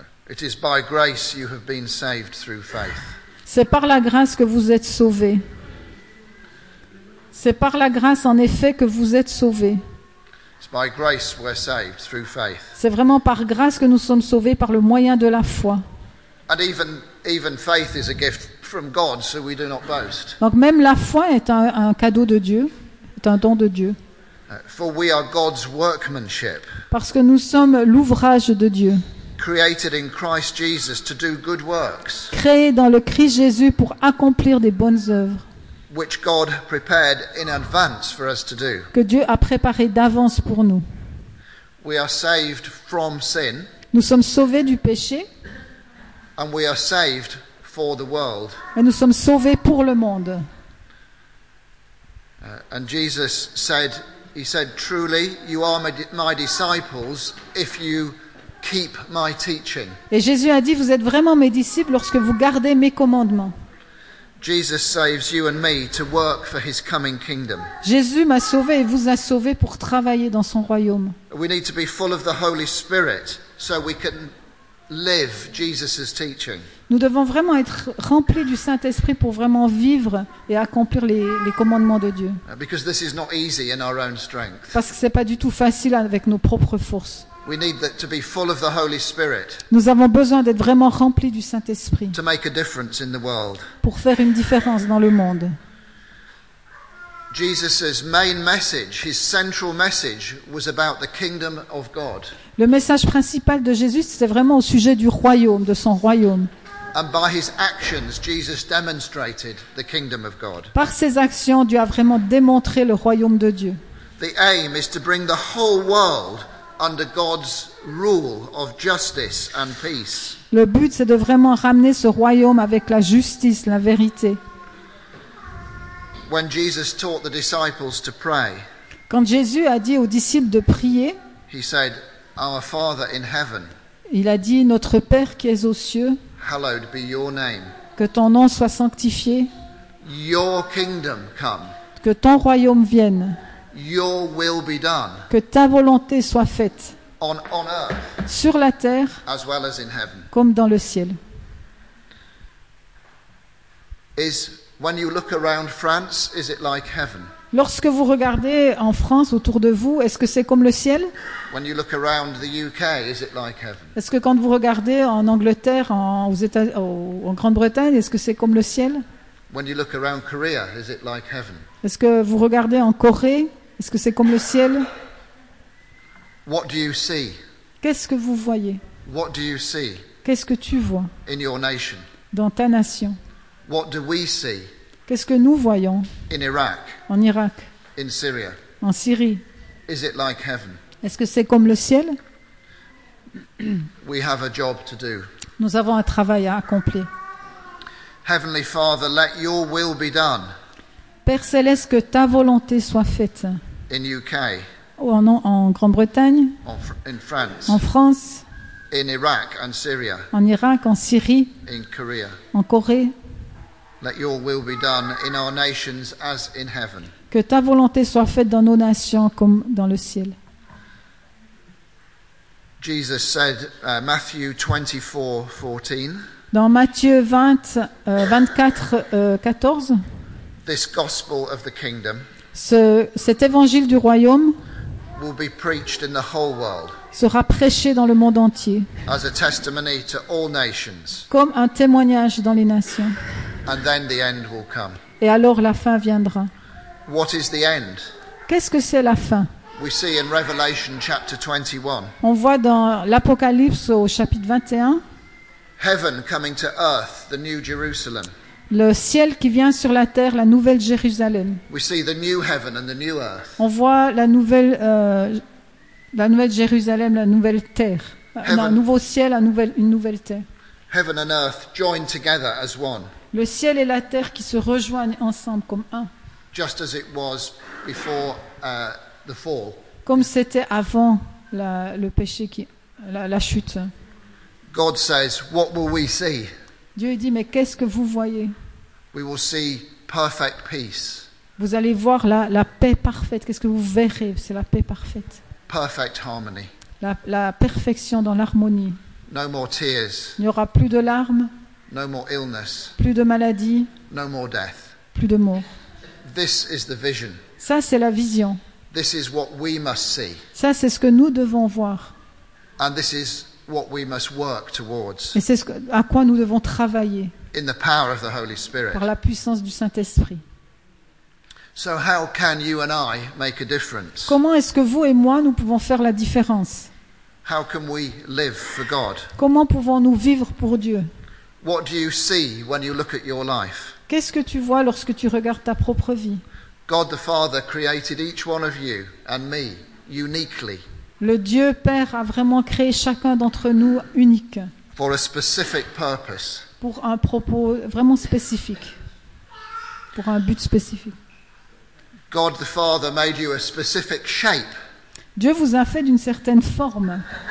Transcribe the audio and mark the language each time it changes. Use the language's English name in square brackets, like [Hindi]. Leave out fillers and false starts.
[English] It is by grace you have been saved through faith. [French] C'est par la grâce que vous êtes sauvés. C'est par la grâce, en effet, que vous êtes sauvés. [English] It's by grace we're saved through faith. [French] C'est vraiment par grâce que nous sommes sauvés par le moyen de la foi. [English] And even faith is a gift from God, so we do not boast. [French] Donc même la foi est un cadeau de Dieu. C'est un don de Dieu. [English] For we are God's workmanship. [French] Parce que nous sommes l'ouvrage de Dieu. [English] Created in Christ Jesus to do good works. [French] Créé dans le Christ Jésus pour accomplir des bonnes œuvres. [English] Which God prepared in advance for us to do. [French] Que Dieu a préparé d'avance pour nous. [English] We are saved from sin. [French] Nous sommes sauvés du péché. [English] And we are saved for the world. [French] Et nous sommes sauvés pour le monde. [English] And Jesus said, he said, truly, you are my disciples if you keep my teaching. [French] Et Jésus a dit, vous êtes vraiment mes disciples lorsque vous gardez mes commandements. [English] Jesus saves you and me to work for his coming kingdom. [French] Jésus m'a sauvé et vous a sauvé pour travailler dans son royaume. [English] We need to be full of the Holy Spirit so we can live Jesus's teaching. [French] Nous devons vraiment être remplis du Saint-Esprit pour vraiment vivre et accomplir les commandements de Dieu. [English] Because this is not easy in our own strength. [French] Parce que ce n'est pas du tout facile avec nos propres forces. [English] We need to be full of the Holy Spirit. [French] Nous avons besoin d'être vraiment remplis du Saint-Esprit. [English] To make a difference in the world. [French] Pour faire une différence dans le monde. [English] Jesus's main message, his central message, was about the kingdom of God. [French] Le message principal de Jésus, c'était vraiment au sujet du royaume, de son royaume. [English] And by his actions, Jesus demonstrated the kingdom of God. [French] Par ses actions, Dieu a vraiment démontré le royaume de Dieu. [English] The aim is to bring the whole world under God's rule of justice and peace. [French] Le but, c'est de vraiment ramener ce royaume avec la justice, la vérité. [English] When Jesus taught the disciples to pray, [French] quand Jésus a dit aux disciples de prier, [English] he said, "Our Father in heaven." [French] Il a dit, notre Père qui es aux cieux. [English] Hallowed be your name. [French] Que ton nom soit sanctifié. [English] Your kingdom come. [French] Que ton royaume vienne. [English] Your will be done. [French] Que ta volonté soit faite. [English] On earth. [French] Sur la terre. [English] As well as in heaven. [French] Comme dans le ciel. [English] Is when you look around France, is it like heaven? [French] Lorsque vous regardez en France autour de vous, est-ce que c'est comme le ciel? [English] When you look around the UK, is it like heaven? [French] Est-ce que quand vous regardez en Angleterre, en Grande-Bretagne, est-ce que c'est comme le ciel? [English] When you look around Korea, is it like heaven? [French] Est-ce que vous regardez en Corée, est-ce que c'est comme le ciel? [English] What do you see? [French] Qu'est-ce que vous voyez? [English] What do you see? [French] Qu'est-ce que tu vois? [English] In your nation. [French] Dans ta nation. [English] What do we see? [French] Qu'est-ce que nous voyons? [English] In Iraq. [French] En Irak. [English] In Syria. [French] En Syrie. [English] Is it like heaven? [French] Est-ce que c'est comme le ciel? [English] We have a job to do. [French] Nous avons un travail à accomplir. [English] Heavenly Father, let your will be done. [French] Père céleste, que ta volonté soit faite. [English] In UK. [French] Ou en, en Grande-Bretagne. [English] In France. [French] En France. [English] In Iraq and Syria. [French] En Irak, en Syrie. [English] In Korea. [French] En Corée. [English] Let your will be done in our nations as in heaven. [French] Que ta volonté soit faite dans nos nations comme dans le ciel. [English] Jesus said, Matthew 24, 14. [French] Dans Matthieu 24, 14. [English] This gospel of the kingdom. [French] Cet évangile du royaume. [English] Will be preached in the whole world. [French] Sera prêché dans le monde entier. [English] As a testimony to all nations. [French] Comme un témoignage dans les nations. [English] And then the end will come. [French] Et alors la fin viendra. [English] What is the end? [French] Qu'est-ce que c'est la fin? [English] We see in Revelation chapter 21. [French] On voit dans l'Apocalypse au chapitre 21. [English] Heaven coming to earth, the new Jerusalem. [French] Le ciel qui vient sur la terre, la nouvelle Jérusalem. [English] We see the new heaven and the new earth. [French] On voit la nouvelle Jérusalem, la nouvelle terre. Un nouveau ciel, une nouvelle terre. [English] Heaven and earth joined together as one. [French] Le ciel et la terre qui se rejoignent ensemble comme un. [English] Just as it was before, the fall. [French] Comme c'était avant la chute. [English] God says, what will we see? [French] Dieu dit, mais qu'est-ce que vous voyez? [English] We will see perfect peace. [French] Vous allez voir la paix parfaite. Qu'est-ce que vous verrez? C'est la paix parfaite. [English] Perfect harmony. [French] La perfection dans l'harmonie. [English] No more tears. [French] Il n'y aura plus de larmes. [English] No more illness. [French] Plus de maladies. [English] No more death. [French] Plus de mort. [English] This is the vision. [French] Ça, c'est la vision. [English] This is what we must see. [French] Ça, c'est ce que nous devons voir. [English] And this is what we must work towards. [French] Et c'est à quoi nous devons travailler. [English] In the power of the Holy Spirit. [French] Par la puissance du Saint-Esprit. [English] So how can you and I make a difference? [French] Comment est-ce que vous et moi nous pouvons faire la différence? [English] How can we live for God? [French] Comment pouvons-nous vivre pour Dieu? [English] What do you see when you look at your life? [French] Qu'est-ce que tu vois lorsque tu regardes ta propre vie? [English] God the Father created each one of you and me uniquely. [French] Le Dieu Père a vraiment créé chacun d'entre nous unique. [English] For a specific purpose. [French] Pour un propos vraiment spécifique. Pour un but spécifique. [English] God the Father made you a specific shape. [French] Dieu vous a fait d'une certaine forme.